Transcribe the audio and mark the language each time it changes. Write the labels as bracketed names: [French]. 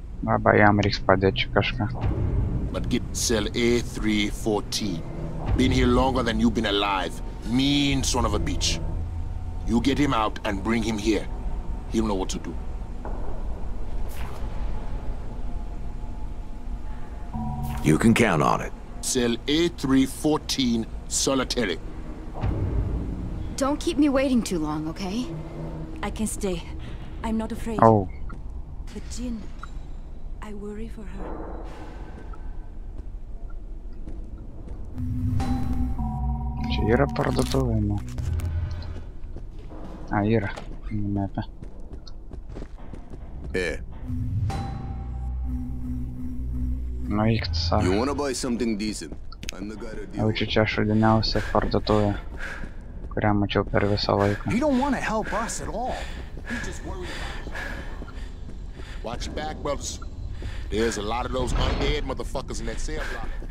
[Lithuanian] Labai jam reiks padėti kažką. [English] But get cell A314. Been here longer than you've been alive. Mean son of a bitch. You get him out and bring him here. He'll know what to do. You can count on it. Cell A314, solitary. Don't keep me waiting too long, okay? I can stay. I'm not afraid. Oh. But Jin, I worry for her. [Lithuanian] Čia yra parduotuvė, ne? A, yra. Mepe. [English] Here. [Lithuanian] Nu, eik tu savo. [English] You wanna buy something decent? I'm the guy to deal. [Lithuanian] Jau čia šudiniausia parduotuvė, kurią mačiau per visą laiką. [English] You don't wanna help us at all. You just worried about us. Watch your back, brothers. There's a lot of those undead motherfuckers in that cell block.